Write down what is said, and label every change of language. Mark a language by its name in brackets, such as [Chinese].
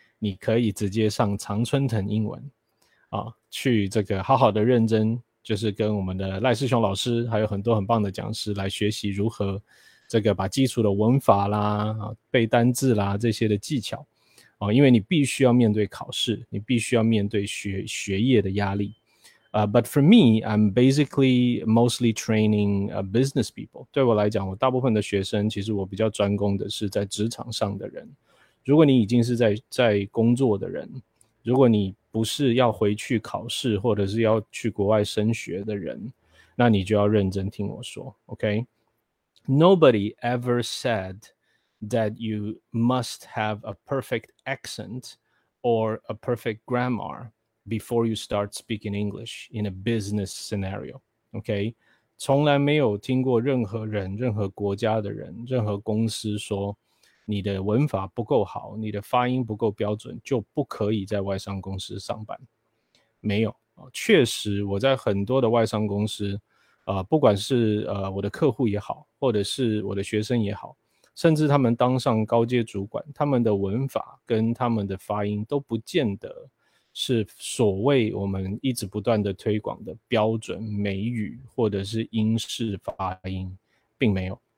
[Chinese] 你可以直接上常春藤英文啊，去这个好好的认真，就是跟我们的赖世雄老师，还有很多很棒的讲师来学习如何这个把基础的文法啦、背单字啦这些的技巧啊，因为你必须要面对考试，你必须要面对学业的压力。 [English] But for me, I'm basically mostly training business people. [Chinese] 对我来讲，我大部分的学生，其实我比较专攻的是在职场上的人。如果你已经是在工作的人，如果你不是要回去考试或者是要去国外升学的人，那你就要认真听我说 ，OK? [English] Nobody ever said that you must have a perfect accent or a perfect grammar. Before you start speaking English in a business scenario, okay? [Chinese] 从来没有听过任何人、任何国家的人、任何公司说你的文法不够好、你的发音不够标准就不可以在外商公司上班。没有，确实我在很多的外商公司、不管是、我的客户也好，或者是我的学生也好，甚至他们当上高阶主管，他们的文法跟他们的发音都不见得是所谓我们一直不断的推广的标准美语或者是英式发音，并没有、